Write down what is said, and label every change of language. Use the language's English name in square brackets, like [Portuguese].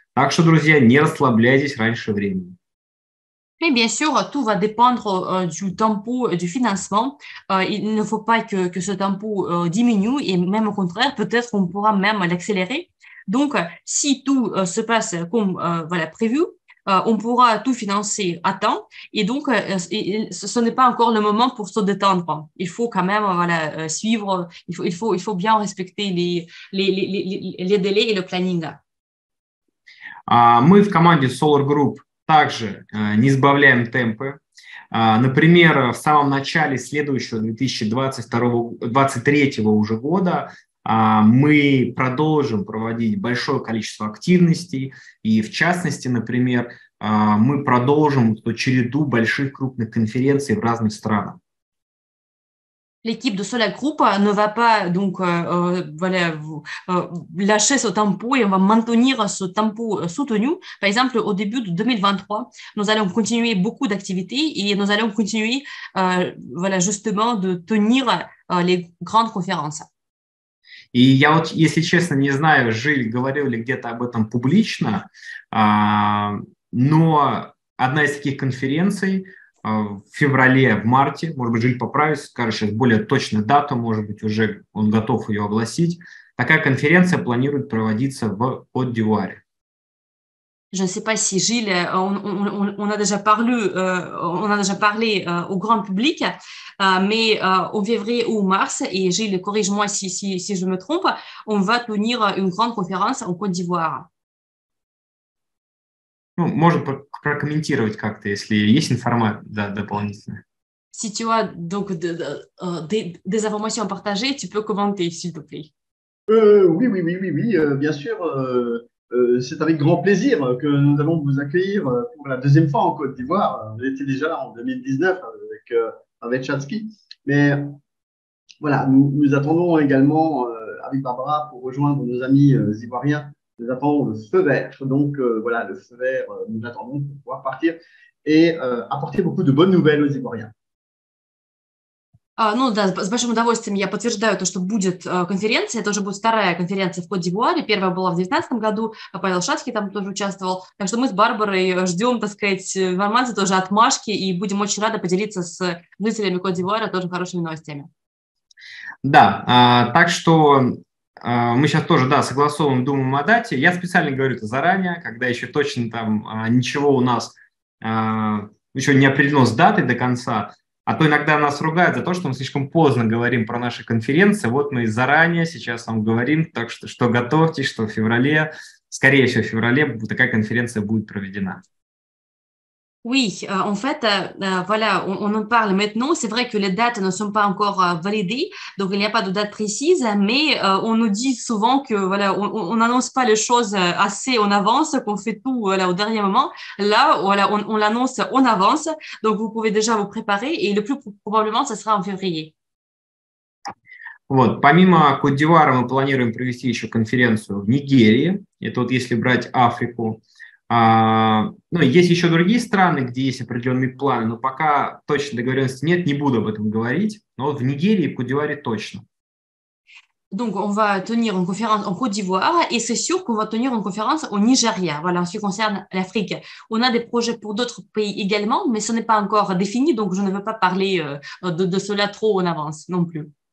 [Russian] Так что, друзья, не расслабляйтесь раньше времени. [French] Mais bien sûr, tout va dépendre du tempo du financement. Il ne faut pas que ce tempo diminue et même au contraire, peut-être on pourra même l'accélérer. Donc, si tout se passe comme voilà, prévu, on pourra tout financer à temps. Et donc, ce n'est pas encore le moment pour se détendre. Il faut quand même voilà, suivre, il faut bien respecter les délais et le planning. [Russian] Мы в команде Solar Group также не сбавляем темпы. Например, в самом начале следующего 2023 уже года мы продолжим проводить большое количество активностей, и в частности, например, мы продолжим эту череду больших крупных конференций в разных странах. [French] L'équipe de Solar Group ne va pas donc voilà lâcher ce tempo et on va maintenir ce tempo soutenu. Par exemple, au début de 2023, nous allons continuer beaucoup d'activités et nous allons continuer voilà justement de tenir les grandes conférences. [Russian] И я вот, если честно, не знаю, Жиль говорил ли где-то об этом публично, но одна из таких конференций в феврале, в марте, может быть, Жиль поправится, скажет сейчас более точную дату, может быть, уже он готов ее огласить. Такая конференция планирует проводиться в Кот-д'Ивуаре. [French] Je ne sais pas si Gilles, on a déjà parlé au grand public, mais en février ou mars, et Gilles, corrige-moi si je me trompe, on va tenir une grande conférence en Côte d'Ivoire. [Russian] Ну, можем прокомментировать как-то, если есть информация дополнительная. [French] Si tu as donc des informations à partager, tu peux commenter, s'il te plaît. Oui, bien sûr. C'est avec grand plaisir que nous allons vous accueillir pour la deuxième fois en Côte d'Ivoire. On était déjà là en 2019 avec Chatsky. Mais voilà, nous attendons également avec Barbara pour rejoindre nos amis ivoiriens. Nous attendons le feu vert. Donc voilà, le feu vert, nous l'attendons pour pouvoir partir et apporter beaucoup de bonnes nouvelles aux Ivoiriens. [Russian] Ну да, с большим удовольствием я подтверждаю то, что будет конференция. Это уже будет вторая конференция в Кот-д'Ивуаре. Первая была в 2019 году, а Павел Шацкий там тоже участвовал. Так что мы с Барбарой ждем, так сказать, информации тоже отмашки и будем очень рады поделиться с жителями Кот-д'Ивуара тоже хорошими новостями. Да, так что мы сейчас тоже, да, согласовываем, думаем о дате. Я специально говорю это заранее, когда еще точно там ничего у нас еще не определено с датой до конца. А то иногда нас ругают за то, что мы слишком поздно говорим про наши конференции. Вот мы и заранее сейчас вам говорим, так что готовьтесь, что в феврале, скорее всего, в феврале такая конференция будет проведена. [French] Oui, en fait, voilà, on en parle maintenant. C'est vrai que les dates ne sont pas encore validées, donc il n'y a pas de date précise, mais on nous dit souvent que voilà, on n'annonce pas les choses assez en avance, qu'on fait tout voilà, au dernier moment. Là, voilà, on l'annonce en avance, donc vous pouvez déjà vous préparer et le plus probablement, ce sera en février. [Russian] Вот, помимо Кот-д'Ивуара, мы планируем провести еще конференцию в Нигерии. Это вот если брать Африку. Ну, есть еще другие страны, где есть определенные планы, но пока точной договоренности нет, не буду об этом говорить. Но вот в Нигерии и Кот-д'Ивуаре точно. [French] Donc, on va tenir une conférence en Côte d'Ivoire et c'est sûr qu'on va tenir une conférence au Nigeria, voilà, en ce qui concerne l'Afrique. On a des projets pour d'autres pays également, mais ce n'est pas encore défini, donc je ne veux pas parler de cela trop en avance non plus.